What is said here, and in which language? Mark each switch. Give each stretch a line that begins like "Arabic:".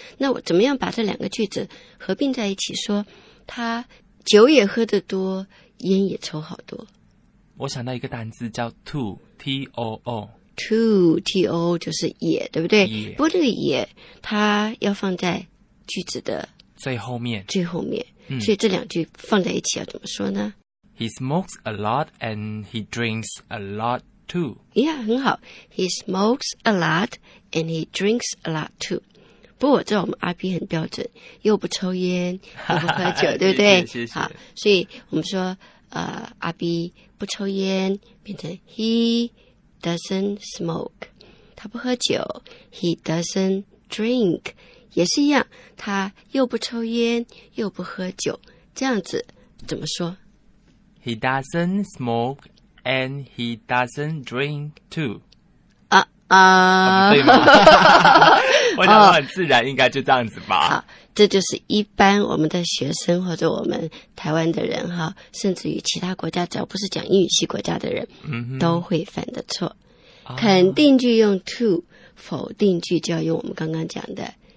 Chinese: 那我怎么样把这两个句子合并在一起说？他酒也喝得多，烟也抽好多。我想到一个单字叫 too, T-O-O. To 就是也，对不对？
English: Yeah.
Chinese: 不过这个也，它要放在句子的最后面。最后面、嗯，所以这两句放在一起要怎么说呢
English: ？He smokes a lot and he drinks a lot too. Yeah，
Chinese: 很好。
English: He smokes a lot and he drinks a lot too.
Chinese: 不过我知道我们 IP 很标准，又不抽烟，又不喝酒，对不对？谢谢。好，所以我们说，IP 不抽烟，变成 he。
English: Doesn't smoke，
Chinese: 他不喝酒。
English: He doesn't drink，
Chinese: 也是一样，他又不抽烟又不喝酒。这样子怎么说
English: ？He doesn't smoke and he doesn't drink too。啊、
Chinese: 不对吗？我想很自然，应该就这样子吧。好，这就是一般我们的学生或者我们台湾的人哈，甚至于其他国家，只要不是讲英语系国家的人，都会犯的错。肯定句用 to， 否定句就要用我们刚刚讲的